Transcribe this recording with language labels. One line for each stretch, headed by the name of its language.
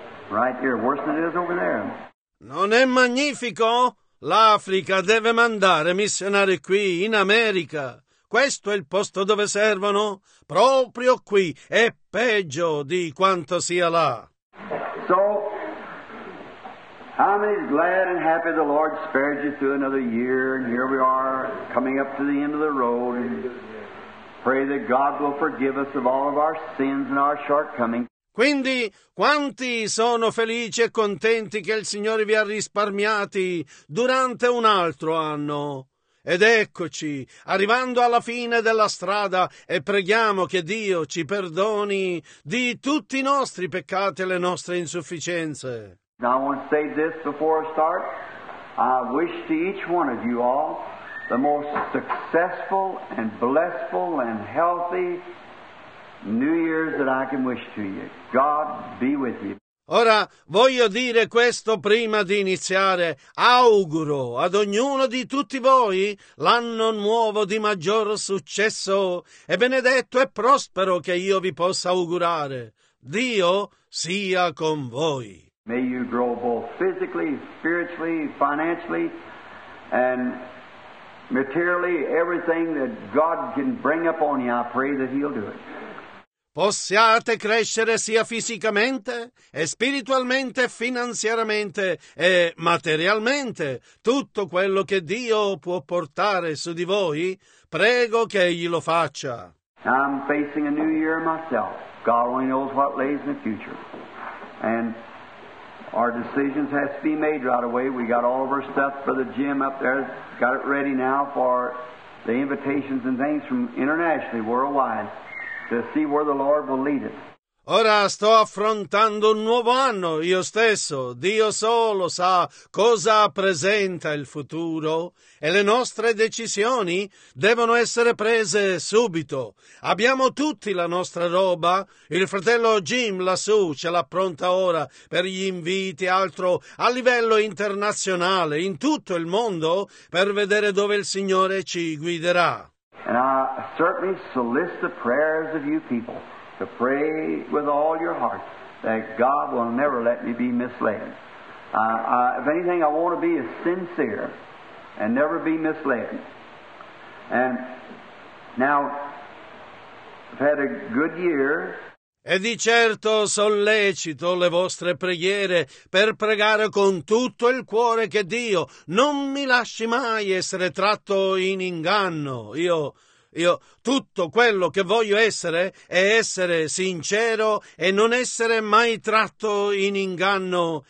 English: Right here, worse than it is over there.
Italian: Non è magnifico? L'Africa deve mandare missionari qui, in America. questo è il posto dove servono? Proprio qui è peggio di quanto sia là.
English: So, how many glad and happy the Lord spared you through another year, and here we are coming up to the end of the road, and pray that God will forgive us of all of our sins and our shortcomings.
Italian: Quindi, quanti sono felici e contenti che il Signore vi ha risparmiati durante un altro anno? Ed eccoci, arrivando alla fine della strada, e preghiamo che Dio ci perdoni di tutti i nostri peccati e le nostre insufficienze.
English: Now I want to say this before I start. I wish to each one of you all the most successful and blessful and healthy New Year's that I can wish to you. God be with you.
Italian: Ora, voglio dire questo prima di iniziare. Auguro ad ognuno di tutti voi l'anno nuovo di maggior successo e benedetto e prospero che io vi possa augurare. Dio sia con voi.
English: May you grow both physically, spiritually, financially, and materially, everything that God can bring up on you, I pray that He'll do it.
Italian: Possiate crescere sia fisicamente, e spiritualmente, finanziariamente e materialmente. Tutto quello che Dio può portare su di voi, prego che Egli lo faccia.
English: I'm facing a new year myself. God only knows what lays in the future. And our decisions have to be made right away. We got all of our stuff for the gym up there. Got it ready now for the invitations and things from internationally, worldwide. To see where the Lord will lead us.
Italian: Ora sto affrontando un nuovo anno io stesso. Dio solo sa cosa presenta il futuro e le nostre decisioni devono essere prese subito. Abbiamo tutti la nostra roba. Il fratello Jim lassù ce l'ha pronta ora per gli inviti, altro a livello internazionale, in tutto il mondo, per vedere dove il Signore ci guiderà.
English: And I certainly solicit the prayers of you people to pray with all your heart that God will never let me be misled. If anything, I want to be is sincere and never be misled. And now, I've had a good year.
Italian: E di certo sollecito le vostre preghiere per pregare con tutto il cuore che Dio non mi lasci mai essere tratto in inganno. Io tutto quello che voglio essere è essere sincero e non essere mai tratto in inganno.